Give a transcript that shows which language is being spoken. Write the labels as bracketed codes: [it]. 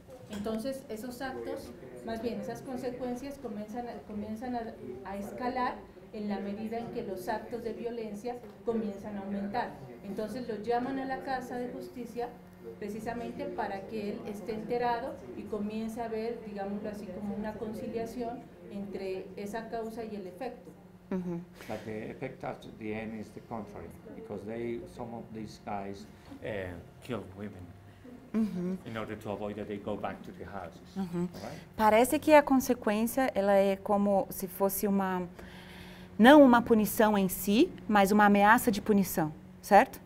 [es] Entonces, esos actos, más bien esas consecuencias, comienzan a escalar en la medida en que los actos de violencia comienzan a aumentar. Entonces, lo llaman a la Casa de Justicia precisamente para que él esté enterado y comience a ver, digámoslo así, como una conciliación entre esa causa y el efecto. Mm-hmm. [en] But the effect at the end is the contrary, because some of these guys kill women in order to avoid that they go back to the houses. Mm-hmm. Right? [pt] Parece que a consequência ela é como se fosse uma não uma punição em si, mas uma ameaça de punição, certo?